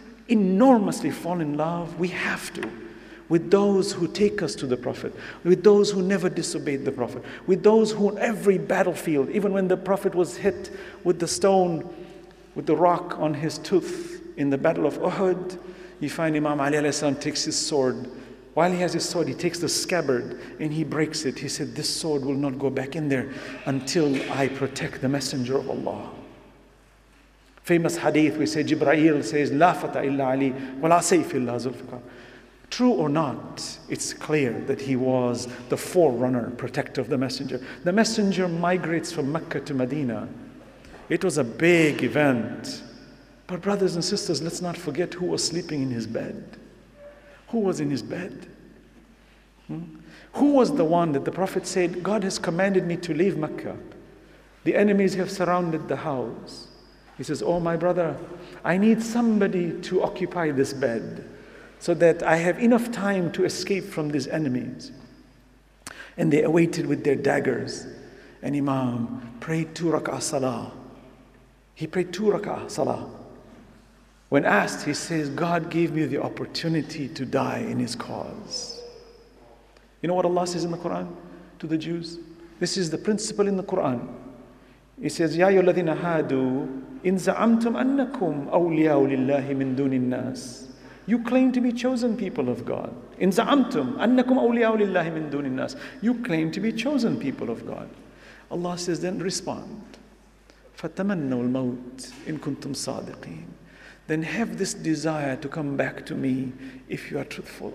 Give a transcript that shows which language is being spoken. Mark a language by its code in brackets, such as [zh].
[en] enormously fall in love, we have to, with those who take us to the Prophet, with those who never disobeyed the Prophet, with those who on every battlefield, even when the Prophet was hit with the stone, with the rock on his tooth in the Battle of Uhud, you find Imam Ali alayhi salam takes his sword. While he has his sword, he takes the scabbard and he breaks it. He said, this sword will not go back in there until I protect the Messenger of Allah. Famous hadith, we say, Jibreel says, [ar] لا فتح إلا علي ولا سيف إلا ذوالفقار. [en] True or not, it's clear that he was the forerunner, protector of the Messenger. The Messenger migrates from Mecca to Medina. It was a big event. But brothers and sisters, let's not forget who was sleeping in his bed. Who was in his bed? Who was the one that the Prophet said, God has commanded me to leave Mecca. The enemies have surrounded the house. He says, oh my brother, I need somebody to occupy this bed so that I have enough time to escape from these enemies. And they awaited with their daggers. And Imam prayed 2 rak'ah salah. He prayed 2 rak'ah salah. When asked, he says, God gave me the opportunity to die in his cause. You know what Allah says in the Quran to the Jews? This is the principle in the Quran. He says, [ar] يَا أَيُّهَا الَّذِينَ هَادُوا إِنْ زَعَمْتُمْ أَنَّكُمْ أَوْلِيَاءُ لِلَّهِ مِنْ دُونِ النَّاسِ. [en] You claim to be chosen people of God. [ar] إِنْ زَعَمْتُمْ أَنَّكُمْ أَوْلِيَاءُ لِلَّهِ مِنْ دُونِ النَّاسِ. [en] You claim to be chosen people of God. Allah says, then respond. [ar] فَتَمَنَّوا الْمَوْتِ إِنْ كُنْتُمْ صَادِقِينَ. [en] Then have this desire to come back to me if you are truthful.